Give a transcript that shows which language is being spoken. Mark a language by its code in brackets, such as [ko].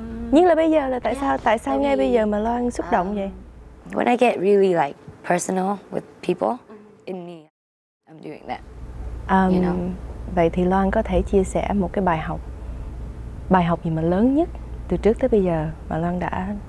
[vi] Nhưng là bây giờ là tại sao ngay bây giờ mà Loan xúc động vậy? [en] When I get really like personal with people in me, I'm doing that. You know? [vi] Vậy thì Loan có thể chia sẻ một cái bài học gì mà lớn nhất từ trước tới bây giờ mà Loan đã